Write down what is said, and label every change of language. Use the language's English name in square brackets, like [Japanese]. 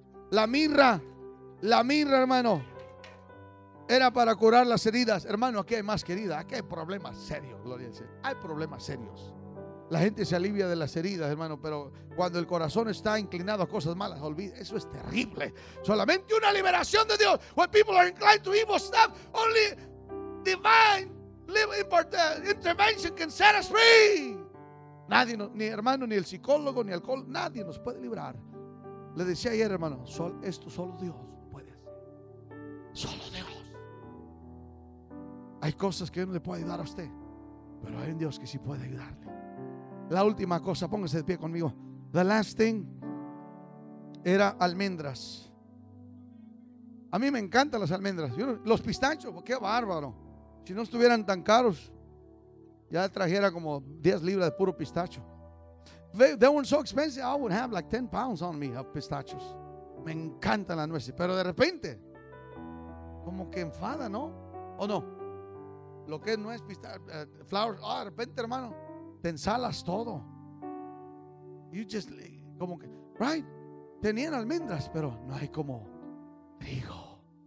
[Spanish] La mirra, hermano, era para curar las heridas. Hermano, aquí hay más querida, aquí hay problemas serios, gloria al Señor. Hay problemas serios. La gente se alivia de las heridas, hermano, pero cuando el corazón está inclinado a cosas malas, olvida, eso es terrible. Solamente una liberación de Dios. [English] When people are inclined to evil stuff, only divine intervention can set us free. [Spanish] Nadie, ni hermano, ni el psicólogo, ni alcohol, nadie nos puede librar. Le decía ayer, hermano, esto solo Dios puede hacer. Solo Dios. Hay cosas que no le puede ayudar a usted, pero hay un Dios que sí puede ayudarle. La última cosa, póngase de pie conmigo. [English] The last thing [Spanish] era almendras. A mí me encantan las almendras. Los pistachos, qué bárbaro. Si no estuvieran tan caros, ya trajera como 10 libras de puro pistacho. [English] They weren't so expensive, I would have like 10 pounds on me of pistachos. [Spanish] Me encantan las nueces, pero de repente, como que enfada, ¿no? ¿O no? Lo que es nuez, pistacho, flowers, de repente, hermano, te ensalas todo. [English] You just [Spanish] como que, right? Tenían almendras, pero no hay como trigo.